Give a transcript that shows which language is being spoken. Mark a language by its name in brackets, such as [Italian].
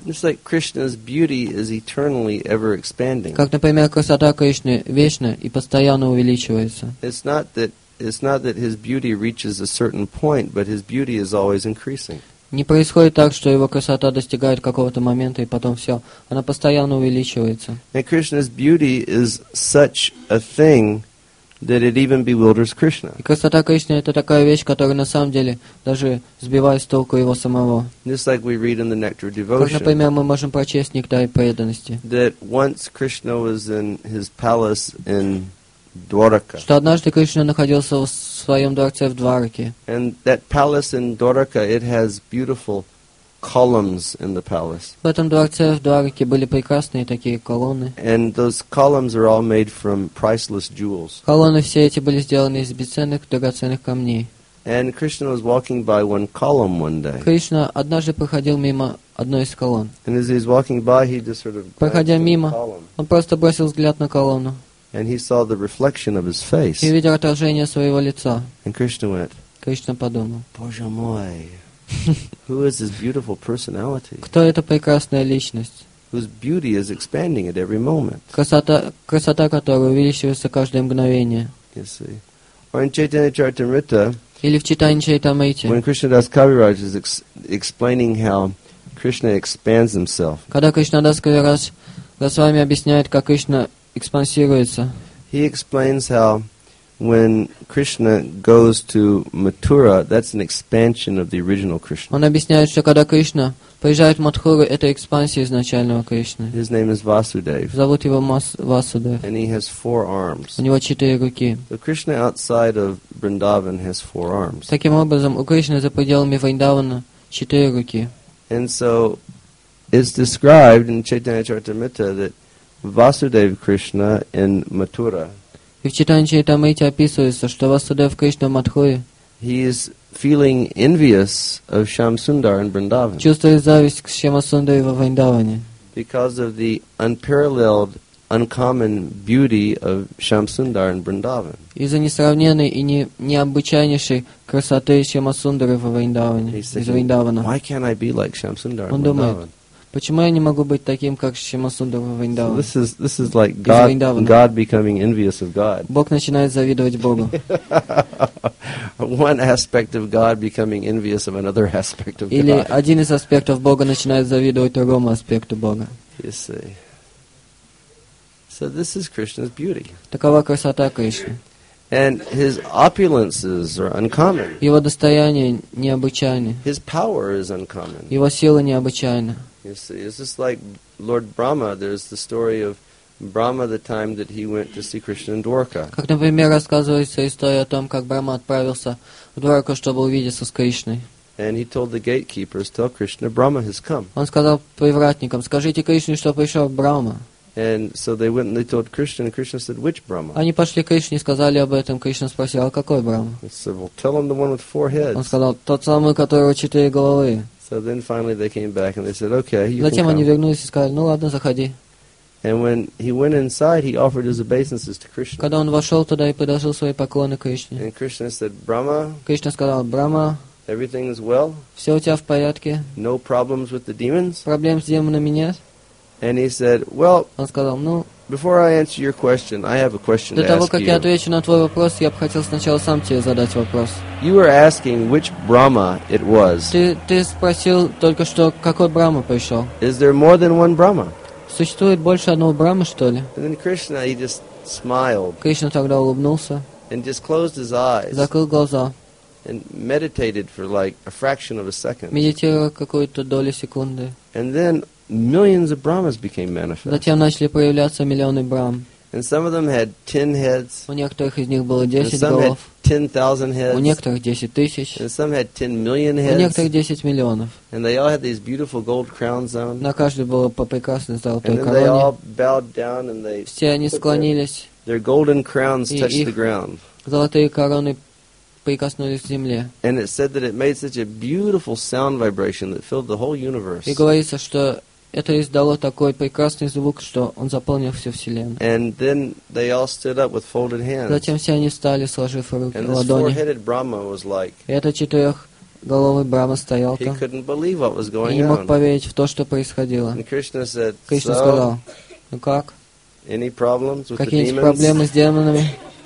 [English] It's like Krishna's beauty is eternally ever expanding. [Russian] Как, например, красота Кришны вечна и постоянно увеличивается. [English] It's not that his beauty reaches a certain point, but his beauty is always increasing. [Russian] Не происходит так, что его красота достигает какого-то момента и потом все. Она постоянно увеличивается. [English] And Krishna's beauty is such a thing that it even bewilders Krishna. [Russian] И красота Кришны это такая вещь, которая на самом деле даже сбивает с толку его самого. [English] Just like we read in the Nectar of Devotion. [Russian] Как, например, мы можем прочесть Нектаре преданности. [English] That once Krishna was in his palace in Dwaraka. [Russian] Что однажды Кришна находился в своем дворце в Двараке. [English] And that palace in Dwaraka, it has beautiful columns in the palace. [Russian] В этом дворце в Двараке были прекрасные такие колонны. [English] And those columns are all made from priceless jewels. [Russian] Колонны все эти были сделаны из бесценных драгоценных камней. [English] And Krishna was walking by one column one day. [Russian] Кришна однажды проходил мимо одной из колонн. [English] And as he was walking by, he just sort of glanced [Russian] проходя мимо, [English] at the column. [Russian] Он просто бросил взгляд на колонну. [English] And he saw the reflection of his face. [Russian] И видел отражение своего лица. [English] And Krishna went. [Russian] Кришна подумал. Боже мой. [English] Who is this beautiful personality? [Russian] Кто эта прекрасная личность? [English] Whose beauty is expanding at every moment? [Russian] Красота которой увеличивается каждое мгновение. [English] You see. Or in Chaitanya Charitamrita. [Russian] Или в Читании Чайтамрите. [English] When Krishna Das Kaviraj is explaining how Krishna expands himself. [Russian] Когда Кришна Дас Кавирадж с вами объясняет, как Кришна экспансируется. [English] He explains how when Krishna goes to Mathura, that's an expansion of the original Krishna. [Russian] Он объясняет, что когда Кришна приезжает в Матхуру, это экспансия изначального Кришны. [English] His name is Vasudev. [Russian] Зовут его Васудев. [English] And he has four arms. [Russian] У него четыре руки. [English] The Krishna outside of Vrindavan has four arms. [Russian] Таким образом, у Кришны за пределами Вриндавана четыре руки. [English] And so it's described in Chaitanya Charitamrita that Vasudev Krishna in Mathura. [Russian] И в Читании Чайтамрите описывается, что Васудев Кришна в Матхуре. [English] He is feeling envious of Shyamasundar in Vrindavan. [Russian] Чувствует зависть к Шьямасундаре во Вриндаване. [English] Because of the unparalleled, uncommon beauty of Shyamasundar in Vrindavan. [Russian] Из-за несравненной и необычайнейшей красоты Шьямасундары во Вриндаване. Из Вриндавана. [English] Why can't I be like Shyamasundar in Vrindavan? [Russian] Почему я не могу быть таким, как Шьямасундар во Вриндаване? [English] This is like God becoming envious of God. [Russian] Бог начинает завидовать Богу. [English] One aspect of God becoming envious of another aspect of God. [Russian] Или один из аспектов Бога начинает завидовать другому аспекту Бога. [English] You see. So this is Krishna's beauty. [Russian] Такова красота Кришны. [English] And his opulences are uncommon. [Russian] Его достояние необычайное. [English] His power is uncommon. [Russian] Его сила необычайна. [English] You see, it's just like Lord Brahma. There's the story of Brahma the time that he went to see Krishna in Dwarka. [Russian] Как, например, рассказывается история о том, как Брама отправился в Дварку, чтобы увидеться с Кришной. [English] And he told the gatekeepers, "Tell Krishna, Brahma has come." [Russian] Он сказал привратникам, скажите Кришне, что пришел Брама. [English] And so they went and they told Krishna, and Krishna said, "Which Brahma?" [Russian] Они пошли к Кришне и сказали об этом. Кришна спросил, а какой Брама? [English] He said, "Well, tell him the one with four heads." [Russian] Он сказал, тот самый, у которого четыре головы. [English] So then finally they came back and they said, okay, you can come. [Russian] Затем они вернулись и сказали, ну ладно, заходи. [English] And when he went inside, he offered his obeisances to Krishna. [Russian] Когда он вошел туда и предложил свои поклоны Кришне. [English] And Krishna said, Brahma. [Russian] Кришна сказал, Брама. [English] Everything is well. [Russian] Все у тебя в порядке. [English] No problems with the demons. [Russian] Проблем с демонами нет. [English] And he said, well. [Russian] Он сказал, ну. [English] Before I answer your question, I have a question to ask you. [Russian] До того, как я отвечу на твой вопрос, я бы хотел сначала сам тебе задать вопрос. [English] You were asking which Brahma it was. [Russian] Ты спросил только что, какой Брама пришел. [English] Is there more than one Brahma? [Russian] Существует больше одного Брама, что ли? [English] And then Krishna, he just smiled. [Russian] Кришна тогда улыбнулся. [English] And just closed his eyes. [Russian] Закрыл глаза. [English] And meditated for like a fraction of a second. [Russian] Медитировал какую-то долю секунды. [English] And then millions of Brahmas became manifest. [Russian] Затем начали появляться миллионы Брахм. [English] And some of them had 10 heads. [Russian] У некоторых из них было 10 голов. [English] And some had 10,000 heads. [Russian] У некоторых 10 тысяч. [English] And some had 10 million heads. [Russian] У некоторых 10 миллионов. [English] And they all had these beautiful gold crowns on. [Russian] На каждой было по прекрасной золотой короне. [English] And they all bowed down and they. [Russian] Все они склонились. [English] Their golden crowns touched the ground. [Russian] Золотые короны прикоснулись к земле. [English] And it said that it made such a beautiful sound vibration that filled the whole universe. [Russian] И говорится, что это издало такой прекрасный звук, что он заполнил всю вселенную. [English] And then they all stood up with folded hands. [Russian] Затем все они встали, сложив руки, [English] and [Russian] ладони. [English] This four-headed Brahma was like, [Russian] это четырехголовый Брахма стоял там. [English] He couldn't believe what was going [Russian] и не мог [English] on. [Russian] Поверить в то, что происходило. [English] And Krishna said, [Russian] Кришна [English] so, [Russian] сказал, ну как? [English] Any problems with [Russian] какие-нибудь [English] the demons? [Russian] Проблемы с демонами?